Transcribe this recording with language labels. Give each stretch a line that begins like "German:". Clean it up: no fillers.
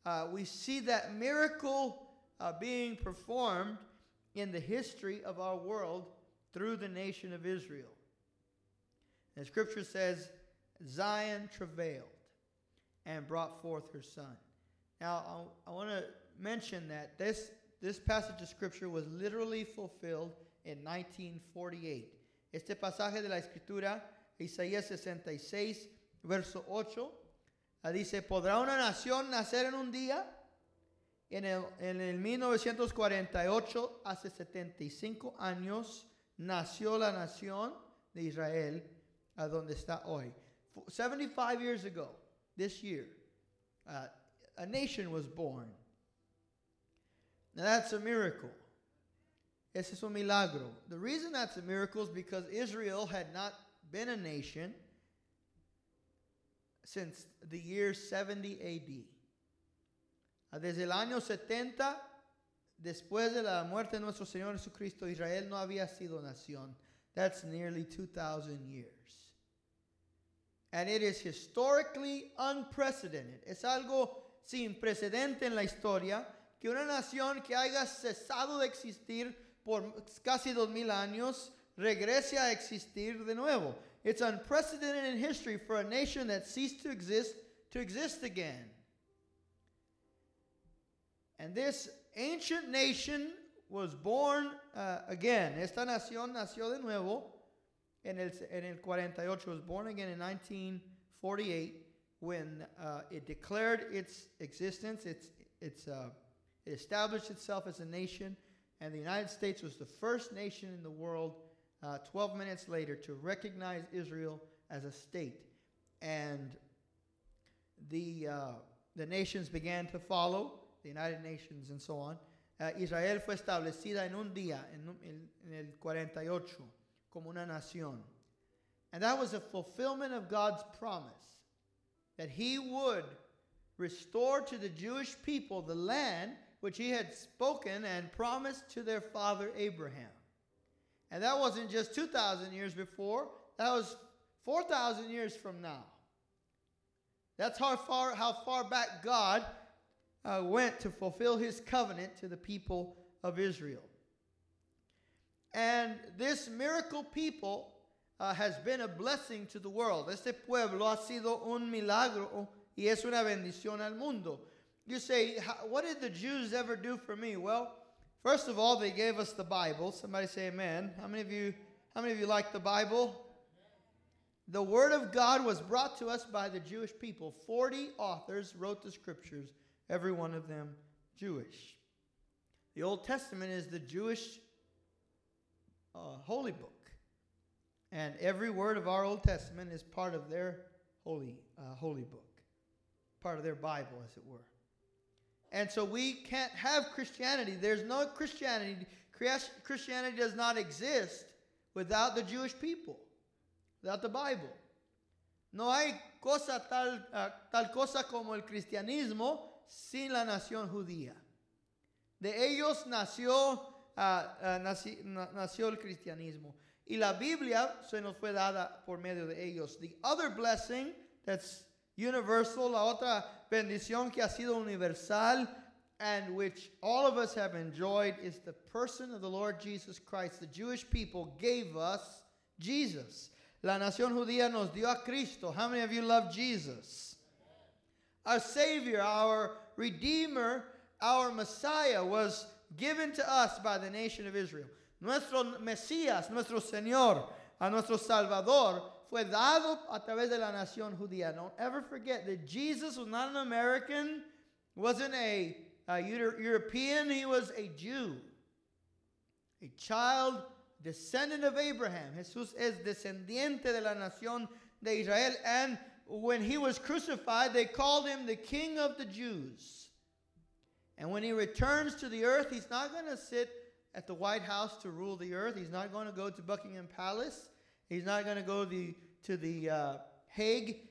English: We see that miracle being performed in the history of our world through the nation of Israel. And scripture says, Zion travailed and brought forth her son. Now, I want to mention that this passage of scripture was literally fulfilled in 1948.
Spanish: Este pasaje de la escritura, Isaías 66, verso 8, dice, ¿podrá una nación nacer en un día? En el 1948, hace 75 años, nació la nación de Israel, a donde está hoy.
English: 75 years ago, this year, a nation was born. Now that's a miracle.
Spanish: Ese es un milagro.
English: The reason that's a miracle is because Israel had not been a nation since the year 70 AD.
Spanish: Desde el año 70, después de la muerte de nuestro Señor Jesucristo, Israel no había sido nación.
English: That's nearly 2,000 years. And it is historically unprecedented.
Spanish: Es algo sin precedente en la historia que una nación que haya cesado de existir por casi 2,000 años regrese a existir de nuevo.
English: It's unprecedented in history for a nation that ceased to exist again. And this ancient nation was born again.
Spanish: Esta nación nació de nuevo en el 48.
English: Was born again in 1948 when it declared its existence. It established itself as a nation, and the United States was the first nation in the world 12 minutes later to recognize Israel as a state. And the nations began to follow. The United Nations and so on.
Spanish: Israel fue establecida en un día, en el 48, como una nación.
English: And that was a fulfillment of God's promise that he would restore to the Jewish people the land which he had spoken and promised to their father Abraham. And that wasn't just 2,000 years before. That was 4,000 years from now. That's how far back God went to fulfill his covenant to the people of Israel. And this miracle people has been a blessing to the world.
Spanish: Este pueblo ha sido un milagro y es una bendición al mundo.
English: You say, what did the Jews ever do for me? Well, first of all, they gave us the Bible. Somebody say amen. How many of you like the Bible? The word of God was brought to us by the Jewish people. 40 authors wrote the scriptures. Every one of them Jewish. The Old Testament is the Jewish holy book. And every word of our Old Testament is part of their holy book. Part of their Bible, as it were. And so we can't have Christianity. There's no Christianity. Christianity does not exist without the Jewish people. Without the Bible.
Spanish: No hay cosa tal cosa como el cristianismo sin la nación judía. De ellos nació el cristianismo. Y la Biblia se nos fue dada por medio de ellos.
English: The other blessing that's universal,
Spanish: la otra bendición que ha sido universal
English: and which all of us have enjoyed is the person of the Lord Jesus Christ. The Jewish people gave us Jesus.
Spanish: La nación judía nos dio a Cristo.
English: How many of you love Jesus? Our Savior, our Redeemer, our Messiah was given to us by the nation of Israel.
Spanish: Nuestro Mesías, nuestro Señor, a nuestro Salvador, fue dado a través de la nación judía.
English: Don't ever forget that Jesus was not an American, wasn't a European, he was a Jew. A child, descendant of Abraham.
Spanish: Jesús es descendiente de la nación de Israel.
English: And when he was crucified, they called him the King of the Jews. And when he returns to the earth, he's not going to sit at the White House to rule the earth. He's not going to go to Buckingham Palace. He's not going to go to the Hague.